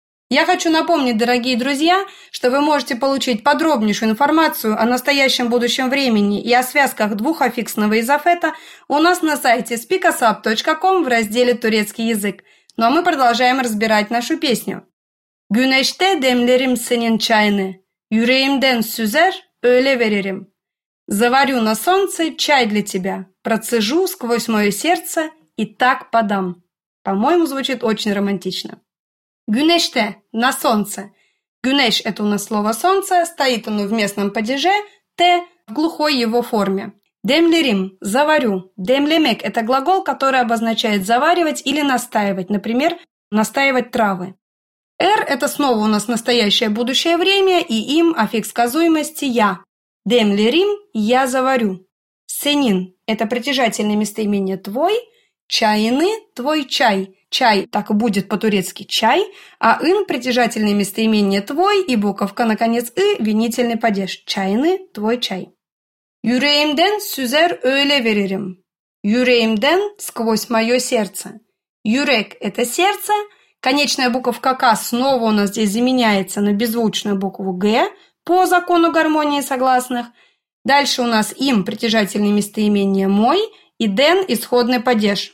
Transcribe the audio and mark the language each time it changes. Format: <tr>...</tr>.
<ru>Я хочу напомнить, дорогие друзья, что вы можете получить подробнейшую информацию о настоящем будущем времени и о связках двух аффиксного изофета у нас на сайте speakasap.com в разделе «Турецкий язык». Ну а мы продолжаем разбирать нашу песню.</ru> <tr>«Güneşte demlerim senin çayını, yüreğimden süzer, öyle veririm».</tr> <ru>«Заварю на солнце чай для тебя, процежу сквозь мое сердце и так подам». По-моему, звучит очень романтично. «Güneşte» – на солнце. «Güneş» – это у нас слово «солнце», стоит оно в местном падеже, «te» – в глухой его форме. «Demlerim» – «заварю». «Demlemek» – это глагол, который обозначает «заваривать» или «настаивать», например, «настаивать травы». «R» – это снова у нас настоящее будущее время, и им аффикс казуемости «я». «Demlerim» – «я заварю». «Senin» – это притяжательное местоимение «твой». «Çayını» – «твой чай». «Чай» – так и будет по-турецки «чай», а «ын» – притяжательное местоимение «твой» и буковка, наконец, «ы» – винительный падеж. «Çayını» – «твой чай».</ru> <tr>«Yüreğimden süzer öyle veririm».</tr> <ru>«Yüreğimden» – «сквозь мое сердце». «Yürek» – это «сердце». Конечная буковка «к» снова у нас здесь заменяется на беззвучную букву «г» по закону гармонии согласных. Дальше у нас «им» – притяжательное местоимение «мой», и «den» – исходный падеж.</ru>